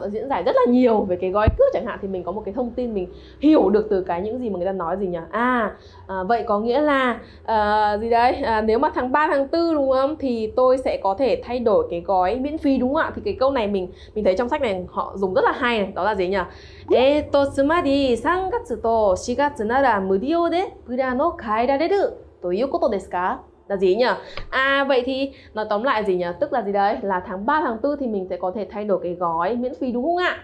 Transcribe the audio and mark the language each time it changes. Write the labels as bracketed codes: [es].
[vi] Họ đã diễn giải rất là nhiều về cái gói cước chẳng hạn, thì mình có một cái thông tin mình hiểu được từ cái những gì mà người ta nói gì nhỉ? Vậy có nghĩa là nếu mà tháng 3, tháng 4 đúng không? Thì tôi sẽ có thể thay đổi cái gói miễn phí đúng không ạ? Thì cái câu này mình thấy trong sách này họ dùng rất là hay này. Đó là gì nhỉ? [ja] つまり 3月と 4月なら無料でプランを変えられるということですか？ [vi] Là gì nhỉ? À vậy thì nói tóm lại gì nhỉ? Tức là gì đấy? Là tháng 3, tháng 4 thì mình sẽ có thể thay đổi cái gói miễn phí đúng không ạ?